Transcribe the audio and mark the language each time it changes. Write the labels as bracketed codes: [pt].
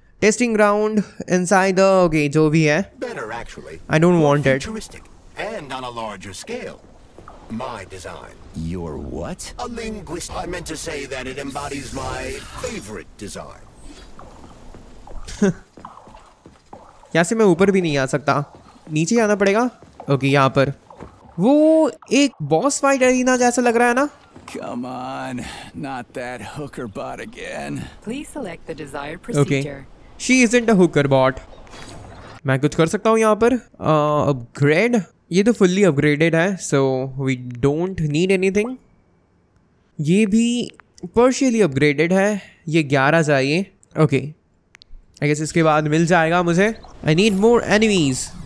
[en] Testing ground inside the okay, [hi] जो भी है. [en] Better actually. I don't more want futuristic. It. And on a larger scale. My design. Your what? A linguist. I meant to say that it embodies my favorite design. [hi] यहाँ से मैं ऊपर भी नहीं आ सकता नीचे आना पड़ेगा ओके यहाँ पर वो एक बॉस फाइट अरीना जैसा लग रहा है ना [en] Come on, not that hooker bot again. Please select the desired procedure. Okay. She isn't a hooker bot. [hi] मैं कुछ कर सकता हूँ यहाँ पर अपग्रेड ये तो फुल्ली अपग्रेडेड है [en] so we don't need anything [hi] ये भी पर्शियली अपग्रेडेड है ये 11 चाहिए ओके I guess इसके बाद मिल जाएगा मुझे [en] I need more enemies.